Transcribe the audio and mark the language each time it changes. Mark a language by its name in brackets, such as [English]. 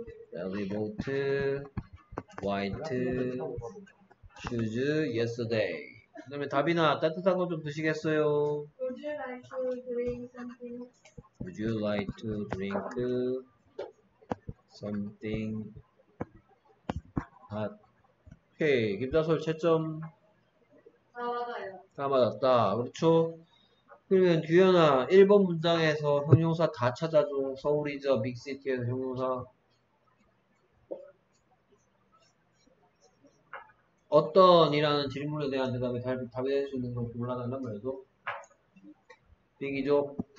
[English] 셀리 보트 화이트 슈즈 예스터데이. [Korean] 그 다음에 다비나 따뜻한 거 좀 드시겠어요? [English] Would you like to drink something? Would you like to drink something hot? 오케이. [Korean] 김다솔 채점 다 맞아요. 다 맞았다. 그렇죠? 그러면 규현아 1번 문장에서 형용사 다 찾아줘. 서울이죠. 빅시티에서 형용사. 어떤 이라는 질문에 대한 대답을 잘 답해줄 수 있는 걸 골라달란 말이죠. 빅이죠.